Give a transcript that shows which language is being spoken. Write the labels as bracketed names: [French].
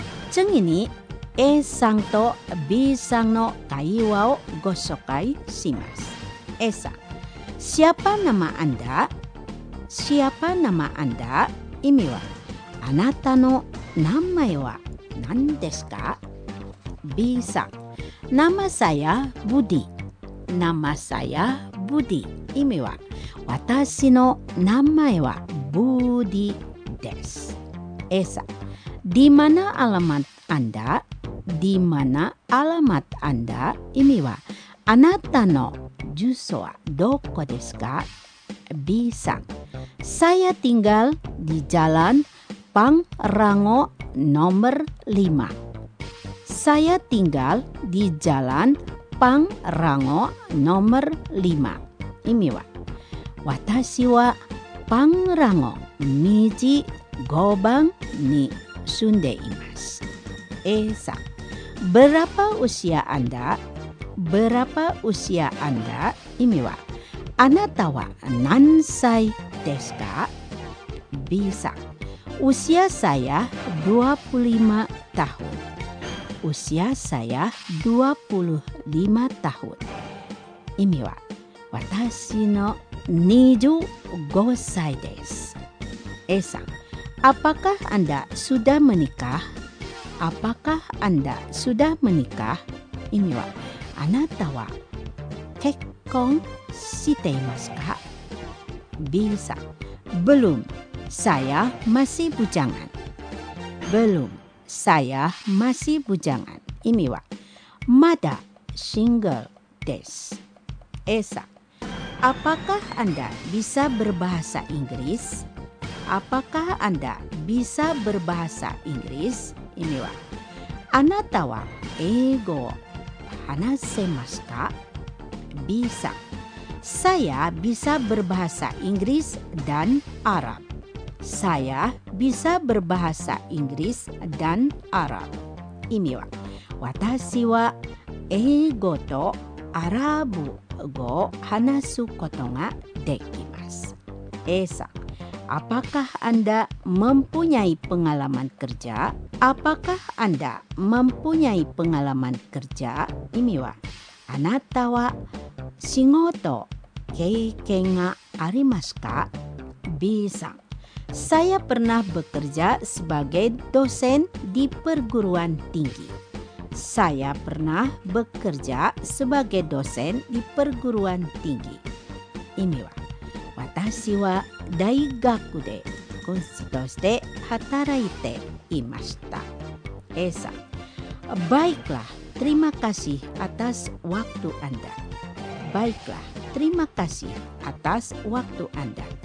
[Japanese] 次にA さんと B さんの会話をご紹介します。 [Indonesian] A さん、siapa nama anda? Siapa nama anda? [Japanese] 意味は、あなたの名前は何ですか? [Indonesian] B さん、nama saya Budi. Nama saya Budi. [Japanese] 意味は、私の名前は Budi です。 [Indonesian] A さん、di mana alamat anda? Di mana alamat anda? [Japanese] 意味は、あなたの住所はどこですか? [Indonesian] B さん、saya tinggal di jalan Pangrango nomor 5. Saya tinggal di jalan Pangrango nomor 5. [Japanese] 意味は、私はPangrango 道5番に住んでいます。 [Indonesian] A さん、Berapa usia anda? Berapa usia anda? [Japanese] 意味は、あなたは何歳ですか? [Indonesian] B さん、usia saya 25 tahun. Usia saya 25 tahun. [Japanese] 意味は、私の25歳です。 [Indonesian] A さん、apakah anda sudah menikah? Apakah anda sudah menikah? [Japanese] 意味は、あなたは結婚していますか? [Indonesian] B さん、belum, saya masih bujangan. Belum, saya masih bujangan. [Japanese] 意味は、まだ single です。 [Indonesian] A さん、apakah anda bisa berbahasa Inggris? Apakah anda bisa berbahasa Inggris? [Japanese] 意味は、あなたは英語を話せますか? [Indonesian] B さん、saya bisa berbahasa Inggris dan Arab. Saya bisa berbahasa Inggris dan Arab. [Japanese] 意味は、私は英語とアラブ語を話すことができます。 [Indonesian] A さん、apakah anda mempunyai pengalaman kerja? Apakah anda mempunyai pengalaman kerja? [Japanese] 意味は、あなたは仕事経験がありますか? [Indonesian] B さん、saya pernah bekerja sebagai dosen di perguruan tinggi. Saya pernah bekerja sebagai dosen di perguruan tinggi. [Japanese] 意味は、私は大学で講師として働いていました。A さん、baiklah, [Indonesian] terima kasih atas waktu Anda. Baiklah, terima kasih atas waktu Anda.